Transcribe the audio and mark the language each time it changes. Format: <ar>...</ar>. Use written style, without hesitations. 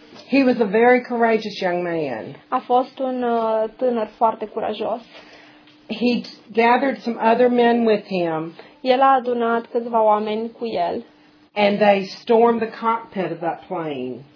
<en>He was a very courageous young man.</en> <ro>A fost un tânăr foarte curajos.</ro> <en>He gathered some other men with him.</en> <ro>El a adunat câțiva oameni cu el.</ro> <en>And they stormed the cockpit of that plane.</en>